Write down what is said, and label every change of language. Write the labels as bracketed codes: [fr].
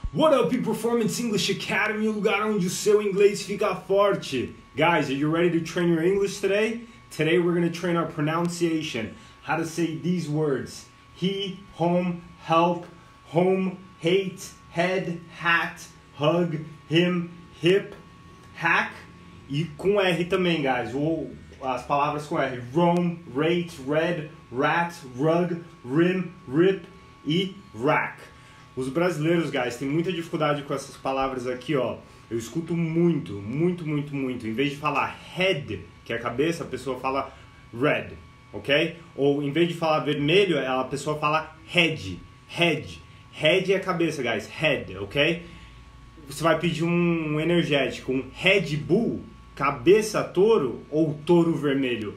[en] What up, Performance English Academy? [pt] Lugar onde o seu inglês fica forte. [en] Guys, are you ready to train your English today? Today we're going to train our pronunciation. How to say these words. He, home, help, home, hate, head, hat, hug, him, hip, hack. [pt] E com R também, guys. As palavras com R. [en] Roam, rate, red, rat, rug, rim, rip e rack. [pt] Os brasileiros, guys, têm muita dificuldade com essas palavras aqui, ó. Eu escuto muito, muito, muito, muito. Em vez de falar head, que é a cabeça, a pessoa fala red, ok? Ou em vez de falar vermelho, a pessoa fala head, head. Head é a cabeça, guys, head, ok? Você vai pedir um energético, um Red Bull, cabeça touro ou touro vermelho?